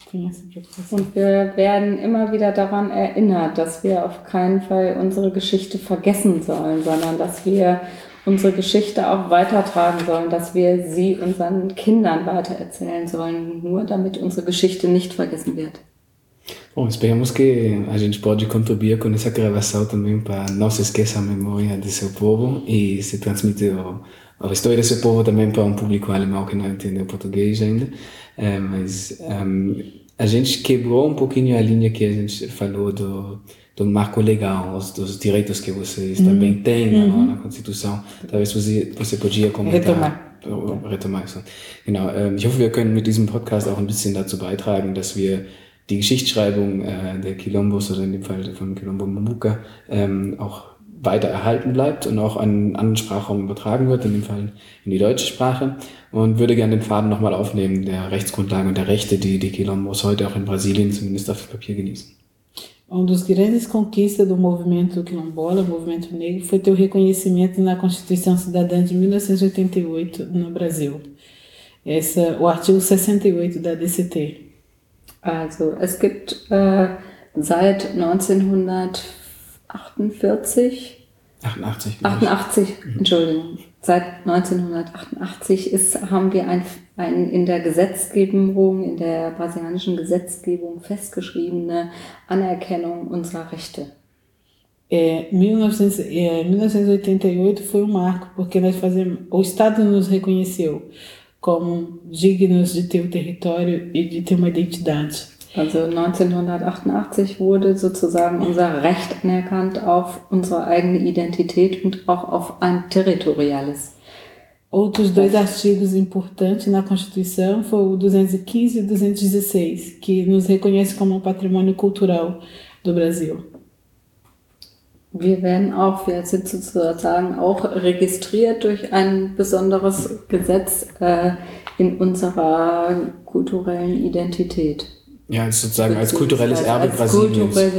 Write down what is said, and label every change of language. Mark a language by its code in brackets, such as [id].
[de] Und wir werden immer wieder daran erinnert, dass wir auf keinen Fall unsere Geschichte vergessen sollen, sondern dass wir unsere Geschichte auch weitertragen sollen, dass wir sie unseren Kindern weitererzählen sollen, nur damit unsere Geschichte nicht vergessen wird. [pt] Bom, esperamos que a gente pode contribuir com essa gravação também para não se esqueça a memória de seu povo e se transmitir a história desse povo também para público alemão que não entendeu português ainda. Mas a gente quebrou pouquinho a linha que a gente falou do marco legal, dos direitos que vocês também têm na Constituição. Talvez você podia comentar. Retomar. Isso. [de] Genau, ich hoffe, wir können mit diesem Podcast auch ein bisschen dazu beitragen, dass wir die Geschichtsschreibung der Quilombos oder in dem Fall von Quilombo Mbuka auch weiter erhalten bleibt und auch einen anderen Sprachraum übertragen wird, in dem Fall in die deutsche Sprache. Und würde gerne den Faden nochmal aufnehmen, der Rechtsgrundlage und der Rechte, die Quilombos heute auch in Brasilien zumindest auf dem Papier genießen. [pt] Uma das grandes conquistas do movimento quilombola, movimento negro, foi teu reconhecimento na Constituição Cidadã de 1988 no Brasil. Essa, o artigo 68 da DCT. [de] Also, es gibt seit 1988 haben wir ein in der Gesetzgebung, in der brasilianischen Gesetzgebung festgeschriebene Anerkennung unserer Rechte. [pt] 1988 foi um marco, porque nós fazemos, o Estado nos reconheceu como dignos de ter um território e de ter uma identidade. [de] Also 1988 wurde sozusagen unser Recht anerkannt auf unsere eigene Identität und auch auf ein territoriales. [pt] Outros dois artigos importantes na Constituição foram o 215 e 216, que nos reconhece como um patrimônio cultural do Brasil. [de] Wir werden auch, wir sind sozusagen auch registriert durch ein besonderes Gesetz in unserer kulturellen Identität. Ja, sozusagen als kulturelles Erbe Brasiliens.